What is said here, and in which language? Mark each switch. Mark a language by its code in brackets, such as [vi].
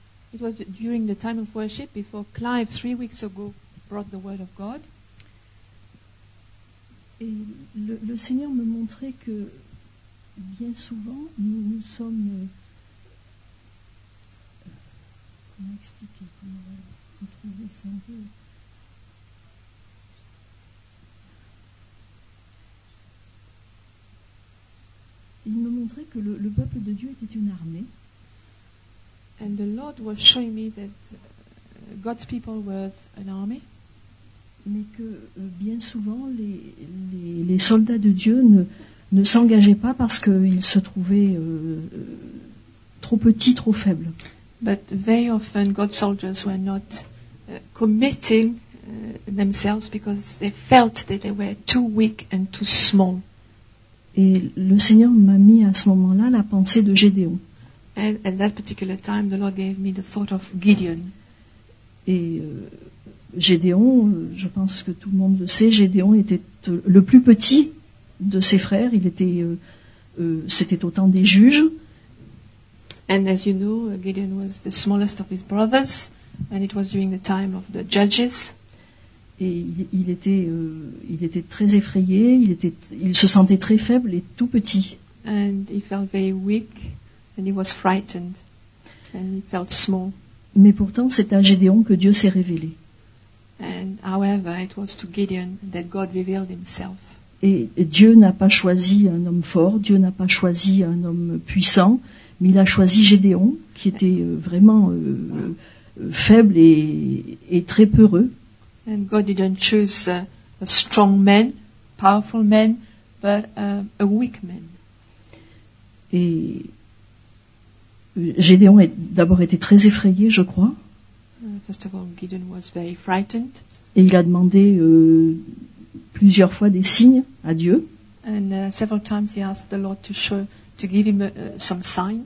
[en] It was during the time of worship before Clive 3 weeks ago brought the word of God. [fr] Et le Seigneur me montrait que bien souvent nous sommes comment expliquer, comment retrouver ça un peu. Il me montrait que le peuple de Dieu était une armée. [en] And the Lord was showing me that God's people was an army. [fr] Mais que bien souvent les soldats de Dieu ne s'engageaient pas parce qu'ils se trouvaient trop petits, trop faibles. [en] But very often God's soldiers were not committing themselves because they felt that they were too weak and too small. [fr] Et le Seigneur m'a mis à ce moment-là la pensée de Gédéon. [en] And at that particular time, the Lord gave me the thought of Gideon. [fr] Et Gédéon, je pense que tout le monde le sait, Gédéon était le plus petit de ses frères. Il était, c'était au temps des juges. [en] And as you know, Gideon was the smallest of his brothers, and it was during the time of the judges. [fr] Et il était très effrayé. Il se sentait très faible et tout petit. [en] And he felt very weak. And he was frightened, and he felt small. [fr] Mais pourtant, c'est à Gédéon que Dieu s'est révélé. [en] And however, it was to Gideon that God revealed himself. [fr] Et Dieu n'a pas choisi un homme fort, Dieu n'a pas choisi un homme puissant, mais il a choisi Gédéon, qui était vraiment faible et très peureux. [en] And God didn't choose a strong man, powerful man, but a weak man. [fr] Et Gédéon a d'abord été très effrayé, je crois. [en] First of all, Gideon was very frightened. [fr] Et il a demandé plusieurs fois des signes à Dieu. [en] And several times he asked the Lord to show, to give him some signs.